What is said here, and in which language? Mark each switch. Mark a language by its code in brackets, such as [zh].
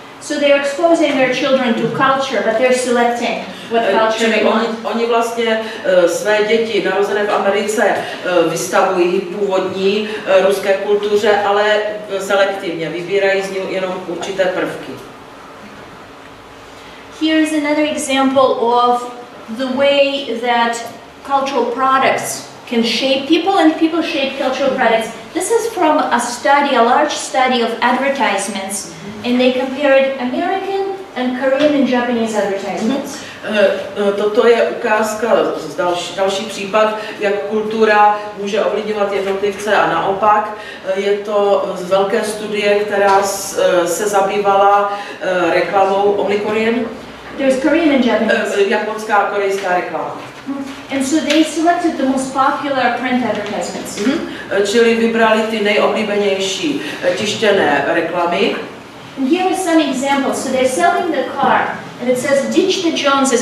[en] So they are exposing their children to culture, but they're selecting what culture they want. [cs] Oni vlastně své děti narozené v Americe vystavují původní ruské kultuře, ale selektivně vybírají z ní jenom určité prvky. [en] Here is another example of the way that cultural products can shape people and people shape cultural products. This is from a study, a large study of advertisements, and they compared American and Korean and Japanese advertisements. [cs] Toto je ukázka, další případ, jak kultura může ovlivňovat jednotlivce a naopak. Je to z velké studie, která se zabývala reklamou [en] Only Korean. There's Korean and Japanese. [cs] Japonská a korejská reklama. [en] And so they selected the most popular print advertisements. [cs] Čili vybrali ty nejoblíbenější tištěné reklamy. [en] And here are some examples. So they're selling the car, and it says "Ditch the Joneses."